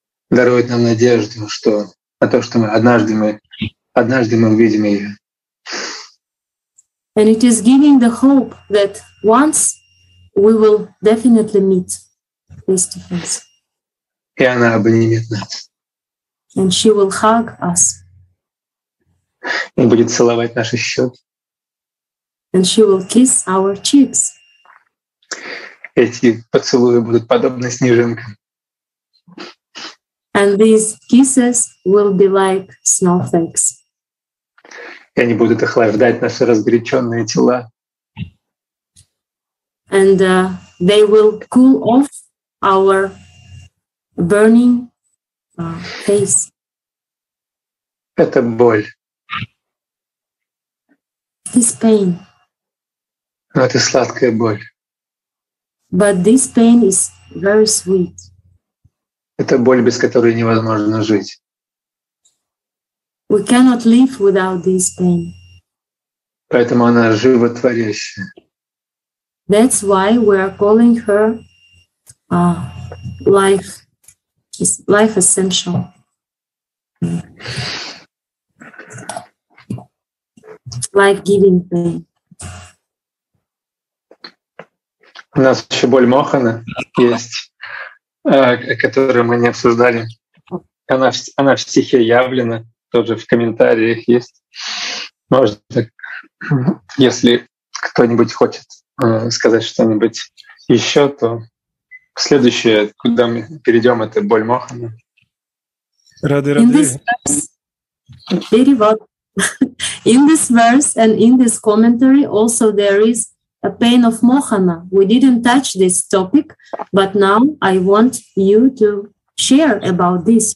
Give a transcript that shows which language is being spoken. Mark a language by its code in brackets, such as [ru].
[ru] Дарует нам надежду, что на то, что мы однажды мы увидим ее. [en] And it is giving the hope that once we will definitely meet face to face. [ru] И она обнимет нас. [en] And she will hug us. [ru] И будет целовать наши щеки. [en] And she will kiss our cheeks. [ru] Эти поцелуи будут подобны снежинкам. [en] And these kisses will be like snowflakes. [ru] И они будут охлаждать наши разгоряченные тела. [en] and they will cool off our burning face. [ru] Это боль. [en] This pain. [ru] Но это сладкая боль. [en] But this pain is very sweet. [ru] Это боль, без которой невозможно жить. [en] We cannot live without this pain. [ru] Поэтому она животворящая. [en] That's why we are calling her life, is life essential. Life-giving pain. [ru] У нас еще боль Мохана есть, которую мы не обсуждали. Она в стихе явлена. Тоже в комментариях есть. Может, если кто-нибудь хочет сказать что-нибудь еще, то следующее, куда мы перейдем, это боль Мохана. Рады. [en] Very well. In this verse and in this commentary also there is a pain of Mohana. We didn't touch this topic, but now I want you to share about this.